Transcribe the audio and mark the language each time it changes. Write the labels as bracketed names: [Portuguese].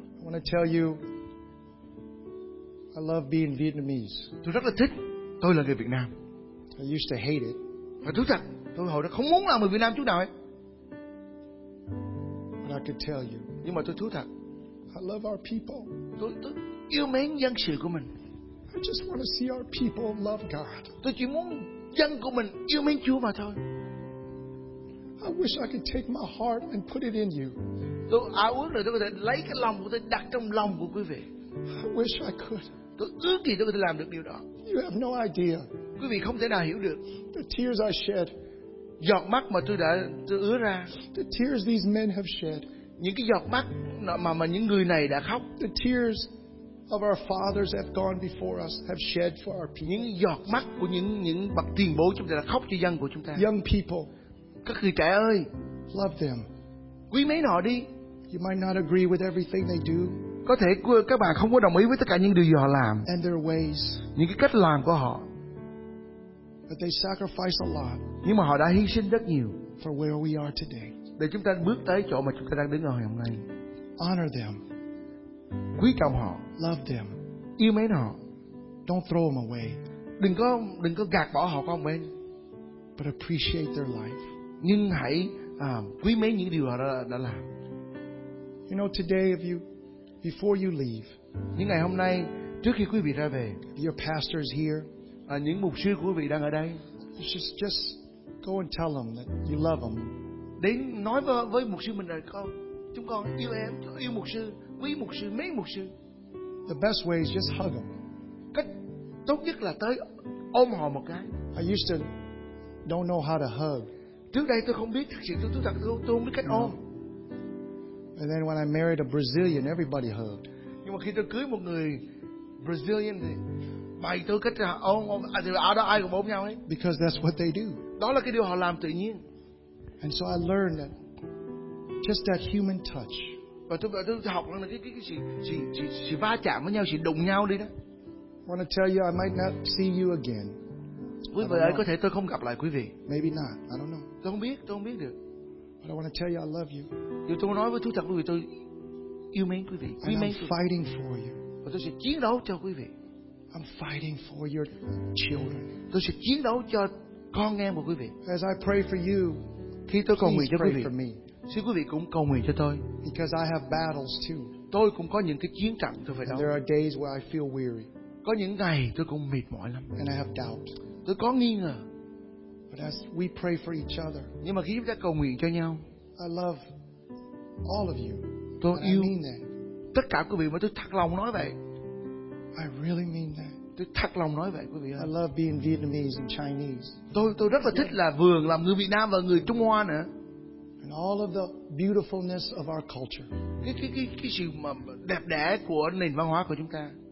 [English] I want to tell you. I love being Vietnamese. [Vietnamese] Tôi rất là thích. Tôi là người Việt Nam. [English] I used to hate it. [Vietnamese] Và thú thật, tôi hồi đó không muốn làm người Việt Nam chút nào ấy. [English] But I can tell you. [Vietnamese] Nhưng mà tôi thú thật. [English] I love our people. [Vietnamese] Tôi yêu mến dân sự của mình. [English] I just want to see our people love God. [Vietnamese] Tôi chỉ muốn dân của mình yêu mến Chúa mà thôi. [English] I wish I could take my heart and put it in you. [Vietnamese] Tôi ước là tôi có thể lấy cái lòng của tôi đặt trong lòng của quý vị. [English] I wish I could. [Vietnamese] Tôi ước gì tôi có thể làm được điều đó. [English] You have no idea. [Vietnamese] Quý vị không thể nào hiểu được. [English] The tears I shed. [Vietnamese] Giọt mắt mà tôi ứa ra. [English] The tears these men have shed. [Vietnamese] Những cái giọt mắt mà những người này đã khóc. [English] The tears of our fathers have gone before us, have shed for our people. [Vietnamese] Những giọt mắt của những bậc tiền bối chúng ta đã khóc cho dân của chúng ta. [English] Young people, [Vietnamese] các người trẻ ơi, [English] love them. [Vietnamese] Quý mến họ đi. [English] You might not agree with everything they do. [Vietnamese] Có thể các bạn không có đồng ý với tất cả những điều gì họ làm. [English] And their ways. [Vietnamese] Những cái cách làm của họ. [English] But they sacrifice a lot. [Vietnamese] Nhưng mà họ đã hy sinh rất nhiều. [English] For where we are today. [Vietnamese] Để chúng ta bước tới chỗ mà chúng ta đang đứng ngồi hôm nay. [English] Honor them. [Vietnamese] Quý trọng họ. [English] Love them. [Vietnamese] Yêu mến họ. [English] Don't throw them away. [Vietnamese] Đừng có gạt bỏ họ qua một bên. [English] But appreciate their life. [Vietnamese] Nhưng hãy quý mến những điều họ đã làm. [English] You know, today if you before you leave. [Vietnamese] Những ngày hôm nay trước khi quý vị ra về. [English] Your pastor is here. [Vietnamese] những mục sư của quý vị đang ở đây. [English] Just go and tell them that you love them. [Vietnamese] Đến nói với mục sư mình là con, chúng con yêu em, yêu mục sư, quý mục sư, mấy mục sư. [English] The best way is just hug them. [Vietnamese] Cách tốt nhất là tới ôm họ một cái. [English] I used to don't know how to hug. [Vietnamese] Trước đây tôi không biết, thực sự tôi không biết cách ôm. [English] And then when I married a Brazilian, everybody hugged. [Vietnamese] Nhưng mà khi tôi cưới một người Brazilian thì bày tôi cách ôm, thì ai đó ai cũng ôm nhau ấy. [English] Because that's what they do. [Vietnamese] Đó là cái điều họ làm tự nhiên. [English] And so I learned that just that human touch. [Vietnamese] Và tôi học là cái va chạm với nhau, sự đụng nhau đi đó. [English] I want to tell you I might not see you again. [Vietnamese] Quý vị ơi, có thể tôi không gặp lại quý vị. [English] Maybe not. I don't know. [Vietnamese] Tôi không biết được. [English] But I want to tell you I love you. [Vietnamese] Nhưng tôi nói với Chúa thật quý vị, tôi yêu mến quý vị. Quý [English] mến. I'm fighting for you. [Vietnamese] Và tôi sẽ chiến đấu cho quý vị. [English] I'm fighting for your children. [Vietnamese] Tôi sẽ chiến đấu cho con em của quý vị. [English] As I pray for you. [Vietnamese] Khi tôi cầu nguyện cho quý vị. Xin quý vị cũng cầu nguyện cho tôi. [English] Because I have battles too. [Vietnamese] Tôi cũng có những cái chiến trận tôi phải đấu. [English] There are days where I feel weary. [Vietnamese] Có những ngày tôi cũng mệt mỏi lắm. [English] And I have doubt. [Vietnamese] Tôi có nghi ngờ. [English] But as we pray for each other. [Vietnamese] Nhưng mà khi chúng ta cầu nguyện cho nhau. [English] I love all of you. [Vietnamese] Tôi yêu tất cả quý vị, mà tôi thật lòng nói vậy. [English] I really mean that. [Vietnamese] Tôi thật lòng nói vậy quý vị ơi. [English] I love being Vietnamese and Chinese. [Vietnamese] Tôi rất là thích là vườn làm người Việt Nam và người Trung Hoa nữa. [English] And all of the beautifulness of our culture. [Vietnamese] Cái sự mà đẹp đẽ của nền văn hóa của chúng ta.